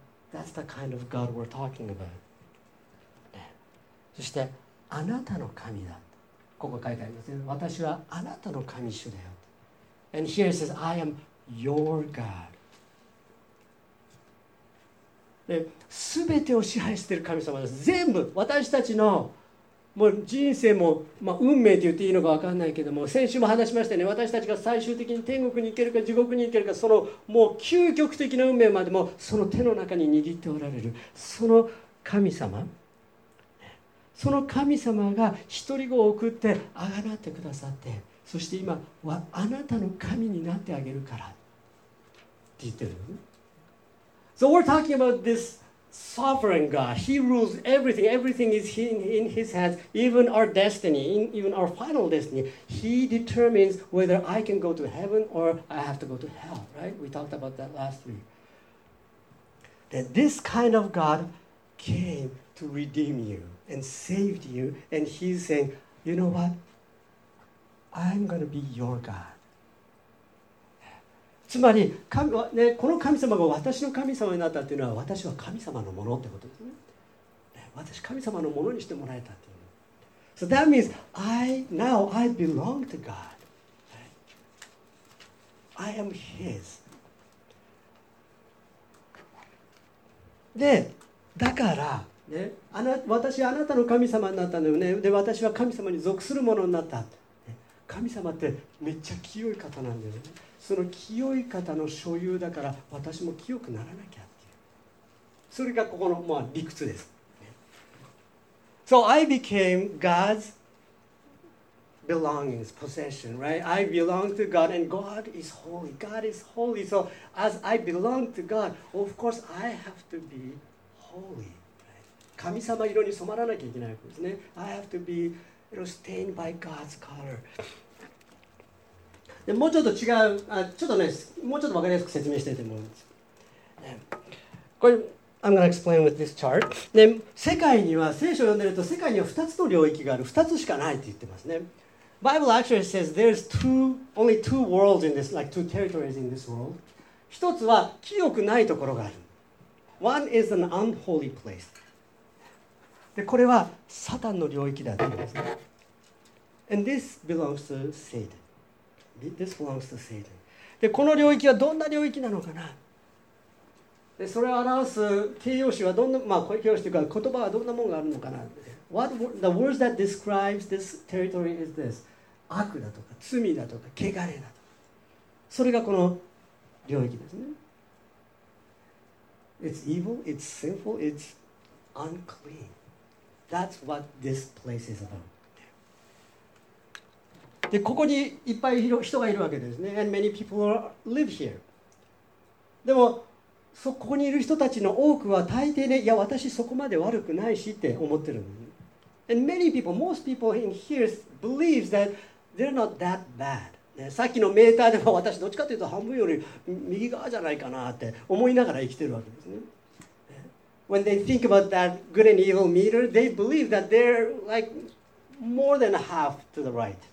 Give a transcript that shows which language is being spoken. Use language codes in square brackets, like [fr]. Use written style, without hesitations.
[en] That's the kind of God we're talking about.、 [ja] ね、そしてあなたの神だ。ここ書いてありますね。私はあなたの神主だよ。 [en] And here it says, I am your God. [ja] で、すべてを支配している神様です。全部私たちのもう人生も、まあ、運命と言っていいのか分からないけども、先週も話しましたね、私たちが最終的に天国に行けるか地獄に行けるか、そのもう究極的な運命までもその手の中に握っておられる、その神様、その神様が一人子を送ってあがなってくださって、そして今はあなたの神になってあげるからって言ってる。 [en] So we're talking about thisSovereign God, He rules everything. Everything is in His hands, even our destiny, even our final destiny. He determines whether I can go to heaven or I have to go to hell, right? We talked about that last week. That this kind of God came to redeem you and saved you, and He's saying, you know what? I'm going to be your God. [ja] つまり神、ね、この神様が私の神様になったというのは、私は神様のものってことですね。ね、私、神様のものにしてもらえたという。 [en] So that means, I belong to God. I am His. [ja] で、だから、ね、私はあなたの神様になったんだよね。で、私は神様に属するものになった。ね、神様ってめっちゃ清い方なんだよね。その清い方の所有だから私も清くならなきゃっていう、それがここの、まあ、理屈です。 [en] So I became God's belongings, possession, right? I belong to God and God is holy. God is holy. So as I belong to God, of course I have to be holy, right? [ja] 神様色に染まらなきゃいけないわけですね。 [en] I have to be, you know, stained by God's color. [ja] もうちょっと違う、あ、ちょっとね、もうちょっと分かりやすく説明したいと思うんです。 [en] これ、I'm gonna explain with this chart. [ja] で、世界には、聖書を読んでると、世界には2つの領域がある、2つしかないって言ってますね。 [en] Bible actually says there's only two worlds in this, like two territories in this world. [ja] 一つは、清くないところがある。 [en] One is an unholy place. [ja] で、これは、サタンの領域だって言うんですね。 [en] And this belongs to Satan. This belongs to Satan. [ja] で、この領域はどんな領域なのかな。で、それを表す形容詞はどんな、まあ、形容詞というか言葉はどんなものがあるのかな。 [en] What the words that describes this territory is this: [ja] 悪だとか罪だとか汚れだとか。それがこの領域ですね。 [en] It's evil. It's sinful. It's unclean. That's what this place is about. [ja] で、ここにいっぱい人がいるわけですね。 [en] And many people live here. [ja] でも、そこにいる人たちの多くは大抵ね、いや、私そこまで悪くないしって思ってるの。 [en] And many people, most people in here believe that they're not that bad.、 [ja] ね、さっきのメーターでも私どっちかというと半分より右側じゃないかなって思いながら生きてるわけですね。 [en] When they think about that good and evil meter, they believe that they're like more than half to the right.